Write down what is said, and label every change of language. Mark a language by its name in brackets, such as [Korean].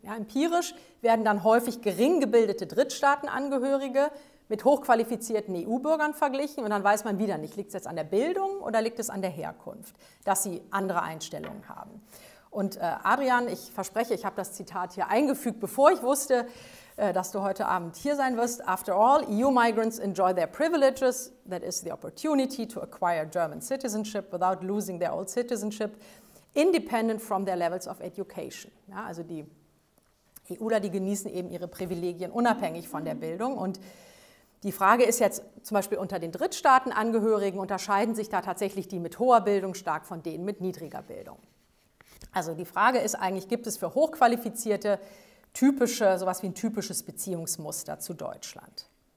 [German] Ja, empirisch werden dann häufig gering gebildete Drittstaatenangehörige mit hochqualifizierten EU-Bürgern verglichen, und dann weiß man wieder nicht, liegt es jetzt an der Bildung oder liegt es an der Herkunft, dass sie andere Einstellungen haben. Und Adrian, ich verspreche, ich habe das Zitat hier eingefügt, bevor ich wusste, dass du heute Abend hier sein wirst. [English] After all, EU migrants enjoy their privileges, that is the opportunity to acquire German citizenship without losing their old citizenship, independent from their levels of education. [German] Ja, also die EUler, die genießen eben ihre Privilegien unabhängig von der Bildung. Und die Frage ist jetzt zum Beispiel unter den Drittstaatenangehörigen, unterscheiden sich da tatsächlich die mit hoher Bildung stark von denen mit niedriger Bildung? Also die Frage ist eigentlich, gibt es für Hochqualifizierte typische, sowas wie ein typisches Beziehungsmuster zu Deutschland?